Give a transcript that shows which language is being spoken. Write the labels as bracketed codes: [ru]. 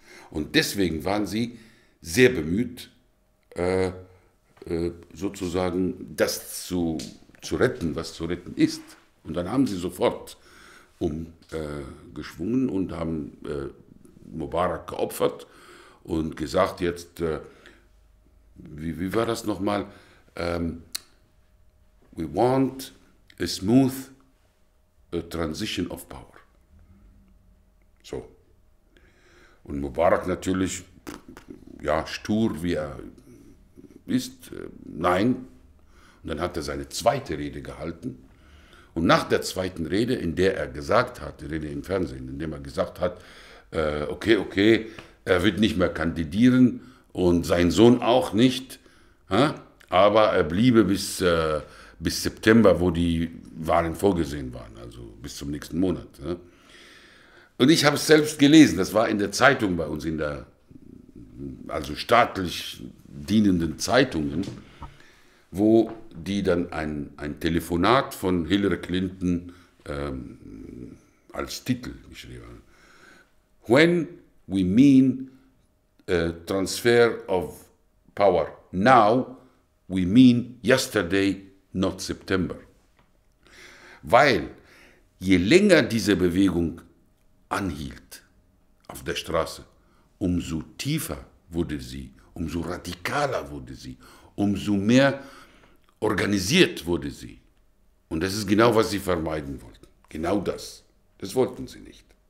[de] Und deswegen waren sie sehr bemüht, sozusagen das zu retten, was zu retten ist. Und dann haben sie sofort umgeschwungen und haben Mubarak geopfert und gesagt jetzt, wie war das nochmal? [en] We want a smooth transition of power. So. [de] Und Mubarak natürlich, ja, stur wie er ist, nein. Und dann hat er seine zweite Rede gehalten. Und nach der zweiten Rede, in der er gesagt hat, die Rede im Fernsehen, in der er gesagt hat, okay, er wird nicht mehr kandidieren und sein Sohn auch nicht, aber er bliebe bis September, wo die Wahlen vorgesehen waren, also bis zum nächsten Monat. Und ich habe es selbst gelesen, das war in der Zeitung bei uns, in der also staatlich dienenden Zeitungen, wo die dann ein Telefonat von Hillary Clinton als Titel geschrieben haben. [en] When we mean transfer of power now, we mean yesterday, not September. [de] Weil je länger diese Bewegung anhielt auf der Straße, umso tiefer wurde sie, umso radikaler wurde sie, umso mehr organisiert wurde sie. Und das ist genau, was sie vermeiden wollten. Genau das. Das wollten sie nicht.